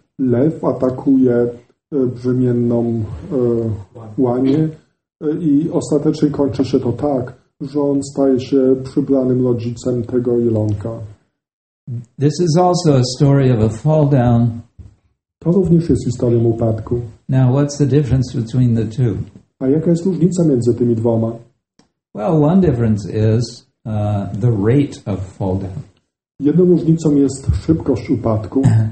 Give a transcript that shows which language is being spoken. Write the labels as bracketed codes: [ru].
[pl] Lew atakuje brzemienną łanię i ostatecznie kończy się to tak, że on staje się przybranym rodzicem tego jelonka. [en] This is also a story of a fall down. [pl] To również jest historią upadku. [en] Now, what's the difference between the two? [pl] A jaka jest różnica między tymi dwoma? [en] Well, one difference is the rate of fall down. [pl] Jedną różnicą jest szybkość upadku.